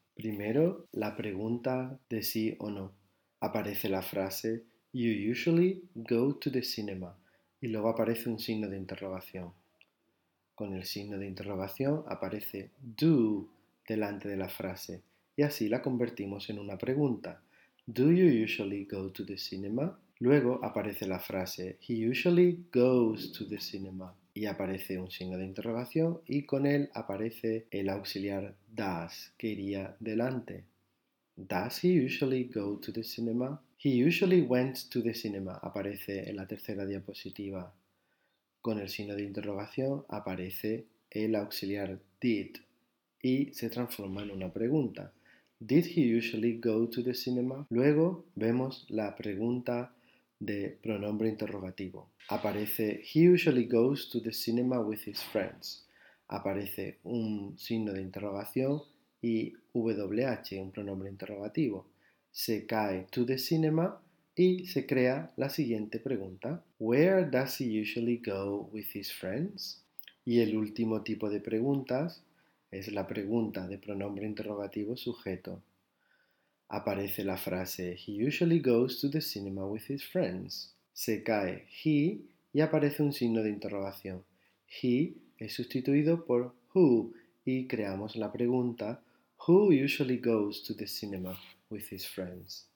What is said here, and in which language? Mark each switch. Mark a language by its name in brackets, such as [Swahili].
[Spanish] Primero, la pregunta de sí o no. Aparece la frase, [English] "You usually go to the cinema", [Spanish] y luego aparece un signo de interrogación. Con el signo de interrogación aparece do delante de la frase, y así la convertimos en una pregunta. [English] Do you usually go to the cinema? [Spanish] Luego aparece la frase, [English] "He usually goes to the cinema", [Spanish] y aparece un signo de interrogación, y con él aparece el auxiliar does, que iría delante. [English] Does he usually go to the cinema? He usually went to the cinema, [Spanish] aparece en la tercera diapositiva. Con el signo de interrogación aparece el auxiliar did, y se transforma en una pregunta. [English] Did he usually go to the cinema? [Spanish] Luego vemos la pregunta de pronombre interrogativo. Aparece [English] he usually goes to the cinema with his friends. [Spanish] Aparece un signo de interrogación y WH, un pronombre interrogativo. Se cae [English] to the cinema [Spanish] y se crea la siguiente pregunta. [English] Where does he usually go with his friends? [Spanish] Y el último tipo de preguntas es la pregunta de pronombre interrogativo sujeto. Aparece la frase [English] he usually goes to the cinema with his friends. [Spanish] Se cae he y aparece un signo de interrogación. [English] He [Spanish] es sustituido por [English] who [Spanish] y creamos la pregunta [English] who usually goes to the cinema with his friends.